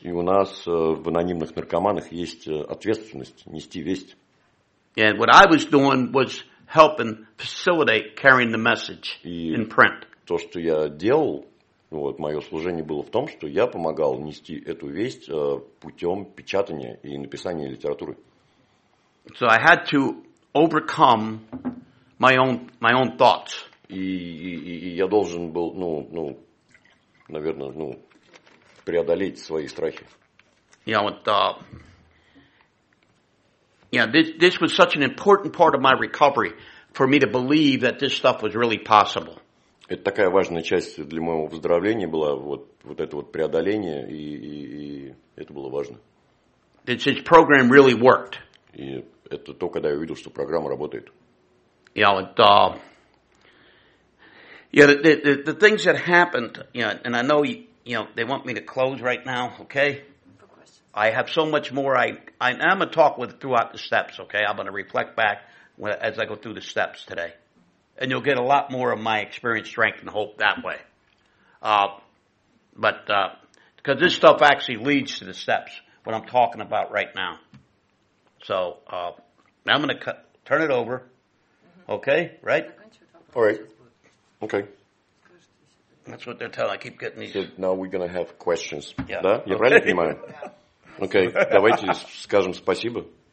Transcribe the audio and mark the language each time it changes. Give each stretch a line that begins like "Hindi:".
Russian: И у нас в анонимных наркоманах есть ответственность нести весть.
English: And what I was doing was helping facilitate carrying the message in print.
Russian: То, что я делал, вот, мое служение было в том, что я помогал нести эту весть путем печатания и написания литературы.
English: So I had to overcome my own thoughts.
Russian: И я должен был, наверное, преодолеть свои страхи.
English: This was such an important part of my recovery for me to believe that this stuff was really possible.
Russian: Это такая важная часть для моего выздоровления была, вот, вот это вот преодоление, и это было важно.
English: His program really worked.
Russian: И это то, когда я увидел, что программа работает.
English: Yeah, but, yeah, the things that happened, you know, and I know, you know, they want me to close right now, okay? I have so much more. I'm going to talk with throughout the steps, okay? I'm going to reflect back as I go through the steps today. And you'll get a lot more of my experience, strength, and hope that way. But because this stuff actually leads to the steps, what I'm talking about right now. So now I'm going to turn it over. Okay, right? All right. Okay. That's what they're telling. I keep getting these. So now we're going to have questions. Yeah.
Russian: Да? Я правильно понимаю? Окей, давайте скажем спасибо.